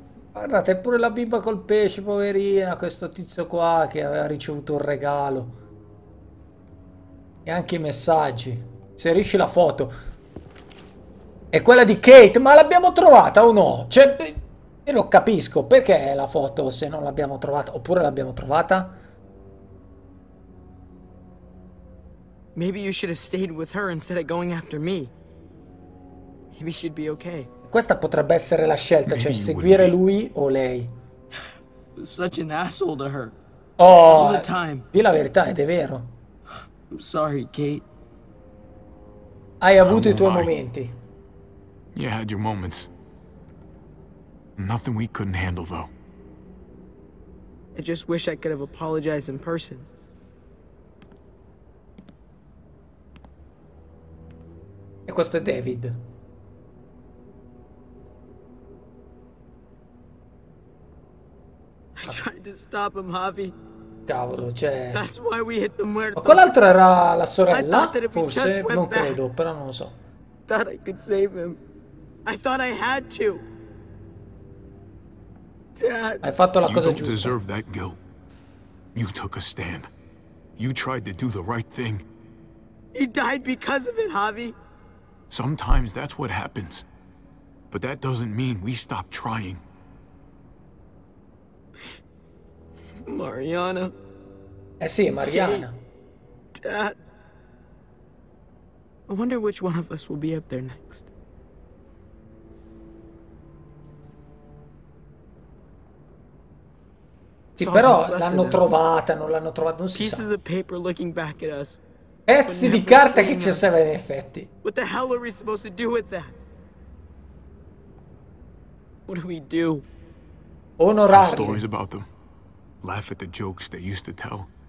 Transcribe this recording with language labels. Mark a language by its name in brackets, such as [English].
[Italian] Guardate, pure la bimba col pesce, poverina, questo tizio qua che aveva ricevuto un regalo. E anche i messaggi. Inserisci la foto. È quella di Kate, ma l'abbiamo trovata o no? Cioè, io non capisco, perché è la foto se non l'abbiamo trovata? Oppure l'abbiamo trovata? [English] Maybe you should have stayed with her instead of going after me. Maybe she'd be okay. [Italian] Questa potrebbe essere la scelta, cioè seguire lui o lei. [English] Such an asshole to her. [Italian] Oh, di la verità, ed è vero. [English] I'm sorry, Kate. [Italian] Hai avuto i tuoi momenti. [English] You had your moments. Nothing we couldn't handle, though. I just wish I could have apologized in person. [Italian] E questo è David. [English] I tried to stop him, Javi. [Italian] Cavolo, cioè. [English] That's why we hit the muerto. [Italian] Ma quell'altra era la sorella? Forse, non credo, però non lo so. [English] Thought I could save him. I thought I had to. Dad. [Italian] Hai fatto la cosa giusta. [English] You don't deserve that guilt. You took a stand. You tried to do the right thing. He died because of it, Javi. Sometimes that's what happens. But that doesn't mean we stop trying. Mariana. [Italian] Eh sì, Mariana. [English] Dad. I wonder which one of us will be up there next. [Italian] Sì, però l'hanno trovata, non l'hanno trovata, non si sa. [English] Pieces of paper looking back at us. [Italian] Pezzi di carta che ci serve in effetti. [English] What the hell are we supposed to do with that? What do we do? [Italian] Onorarli. [English] Stories about them. Laugh at the jokes they used to tell.